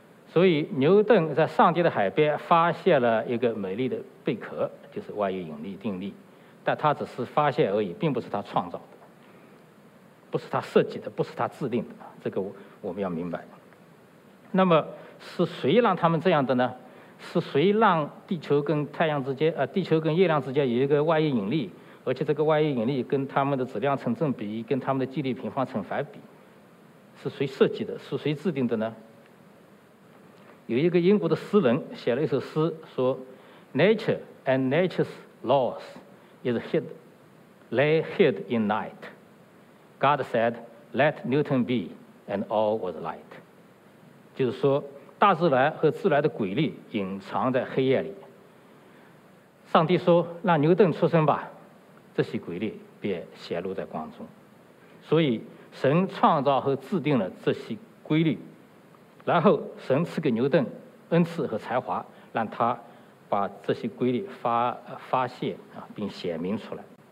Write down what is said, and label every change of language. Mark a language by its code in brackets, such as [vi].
[zh] 所以牛顿在上帝的海边发现了一个美丽的贝壳，就是万有引力定律，但他只是发现而已，并不是他创造的，不是他设计的，不是他制定的，这个我们要明白。那么是谁让他们这样的呢？是谁让地球跟太阳之间，地球跟月亮之间有一个万有引力，而且这个万有引力跟它们的质量成正比，跟它们的距离平方成反比？是谁设计的？是谁制定的呢？有一个英国的诗人写了一首诗，说 [en] ：“Nature and nature's laws is hid, lay hid in night. God said, 'Let Newton be, and all was light.'” [zh] 就是说，大自然和自然的规律隐藏在黑夜里。上帝说：“让牛顿出生吧。” 这些规律便显露在光中。所以，神创造和制定了这些规律，然后神赐给牛顿恩赐和才华，让他把这些规律发泄并显明出来。